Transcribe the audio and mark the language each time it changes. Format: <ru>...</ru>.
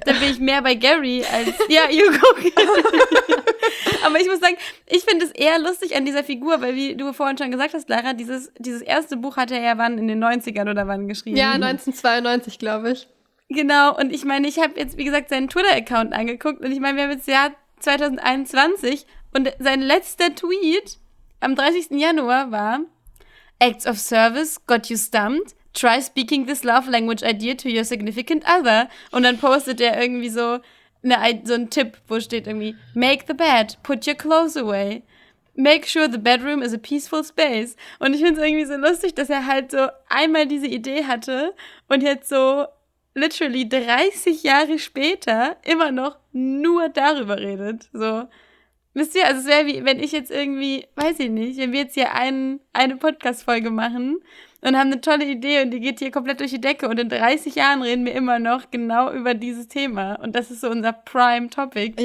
<de>Da bin ich mehr bei Gary als... Ja,</de> <en>you go Gary.</en> <de>Aber ich muss sagen, ich finde es eher lustig an dieser Figur, weil wie du vorhin schon gesagt hast, Lara, dieses erste Buch hat er ja wann in den 90ern oder wann geschrieben? Ja, 1992, glaube ich. Genau, und ich meine, ich habe jetzt, wie gesagt, seinen Twitter-Account angeguckt und ich meine, wir haben jetzt ja 2021 und sein letzter Tweet am 30. Januar war:</de> <en>Acts of service got you stumped. Try speaking this love language idea to your significant other.</en> <de>Und dann postet er irgendwie so einen Tipp, wo steht irgendwie:</de> <en>Make the bed, put your clothes away.</en> <de>Make sure the bedroom is a peaceful space. Und ich finde es irgendwie so lustig, dass er halt so einmal diese Idee hatte und jetzt so literally 30 Jahre später immer noch nur darüber redet. So, wisst ihr, also es wäre wie, wenn ich jetzt irgendwie, weiß ich nicht, wenn wir jetzt hier eine Podcast-Folge machen und haben eine tolle Idee und die geht hier komplett durch die Decke und in 30 Jahren reden wir immer noch genau über dieses Thema und das ist so unser Prime-Topic.</de>